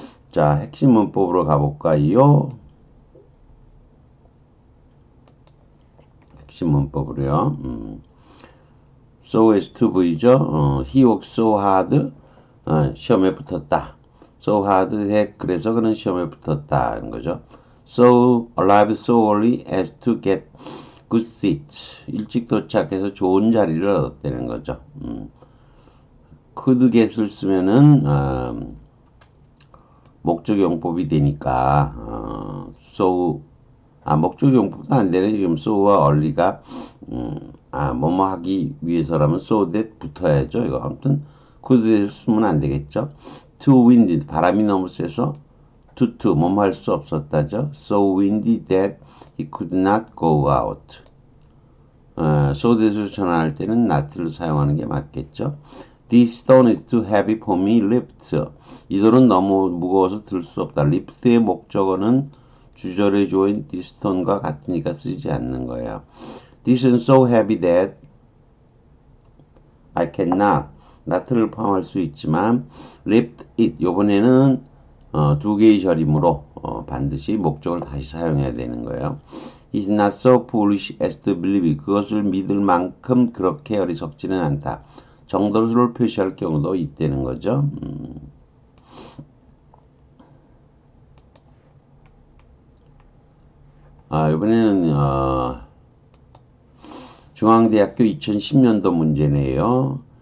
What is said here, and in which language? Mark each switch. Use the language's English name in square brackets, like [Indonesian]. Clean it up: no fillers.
[Korean] 자, 핵심 문법으로 가볼까요? 신문법으로요. So as to be죠. [English] He worked so hard. [Korean] 시험에 붙었다. [English] So hard that [Korean] 그래서 그는 시험에 붙었다. 이런 거죠. [English] So arrived so early as to get good seats. [Korean] 일찍 도착해서 좋은 자리를 얻었다는 거죠. Could get을 쓰면은 목적 용법이 되니까 so 아, 목적 용법도 안 되네. 지금 so와 early가 뭐뭐 하기 위해서라면 so that 붙어야죠. 이거 아무튼 could에서 쓰면 안 되겠죠. [English] Too windy, [Korean] 바람이 너무 세서 too 뭐뭐 할수 없었다죠. [English] So windy that he could not go out. [Korean] So that을 전환할 때는 not를 사용하는 게 맞겠죠. [English] This stone is too heavy for me lift. [Korean] 이 돌은 너무 무거워서 들수 없다. Lift의 목적어는 주절에 조인 this stone과 같으니까 쓰지 않는 거예요. [English] This is so heavy that I cannot. [Korean] not를 포함할 수 있지만 lift it. 요번에는 두 개의 절임으로 반드시 목적을 다시 사용해야 되는 거예요. [English] He's not so foolish as to believe it. [Korean] 그것을 믿을 만큼 그렇게 어리석지는 않다. 정도를 표시할 경우도 있다는 거죠. 아, 이번에는 중앙대학교 2010년도 문제네요.